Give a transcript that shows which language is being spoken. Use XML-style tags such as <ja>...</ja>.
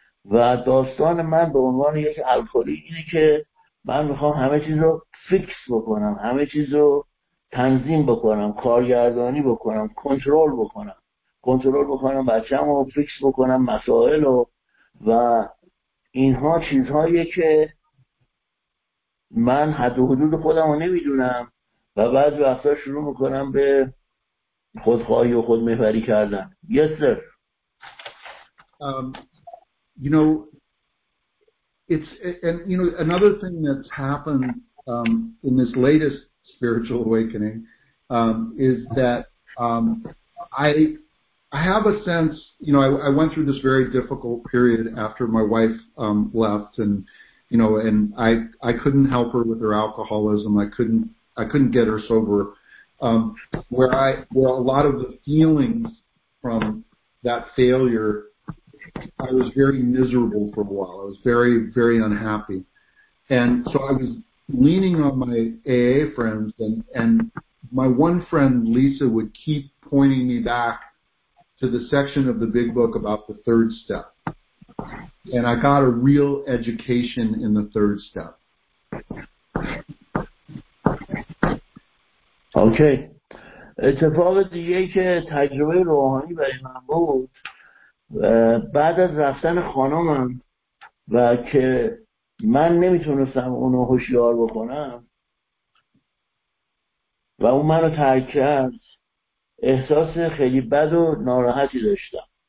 <fa>و داستان من به عنوان یک الکلی اینه که من میخوام همه چیز رو فیکس بکنم، همه چیز رو تنظیم بکنم، کارگردانی بکنم، کنترل بکنم بچه‌مو رو فیکس بکنم، مسائل رو، و اینها چیزهاییه که من حد و حدود خودم رو نمیدونم و بعضی وقتا شروع میکنم به خودخواهی و خودمحوری کردن.</fa> <en>Yes, sir. You know, it's and you know another thing that's happened in this latest spiritual awakening is that I have a sense, you know, I went through this very difficult period after my wife left, and you know, and I couldn't help her with her alcoholism. I couldn't get her sober. Where a lot of the feelings from that failure, I was very miserable for a while. I was very, very unhappy. And so I was leaning on my AA friends, and my one friend, Lisa, would keep pointing me back to the section of the Big Book about the third step. And I got a real education in the third step. Okay.</en> <fa>اتفاق دیگه که تجربه روحانی برای من بود بعد از رفتن خانمم و که من نمیتونستم اونو هوشیار بکنم و اون منو ترک کرد، احساس خیلی بد و ناراحتی داشتم.</fa>